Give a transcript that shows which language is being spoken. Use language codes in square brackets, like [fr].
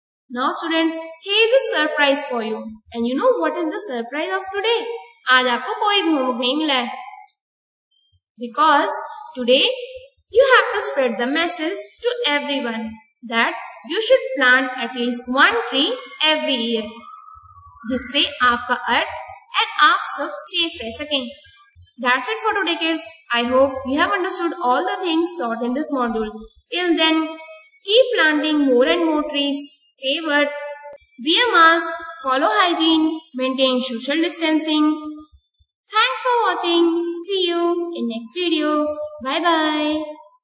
[en] Now students, here is a surprise for you. And you know what is the surprise of today? [hi] आज आपको कोई भी homework नहीं मिला है. [en] Because today you have to spread the message to everyone that you should plant at least one tree every year. [hi] जिससे आपका earth and आप सब सेफ रह सकें. [en] That's it for today kids. I hope you have understood all the things taught in this module. Till then, keep planting more and more trees. Save earth. Wear mask. Follow hygiene. Maintain social distancing. Thanks for watching. See you in next video. Bye bye.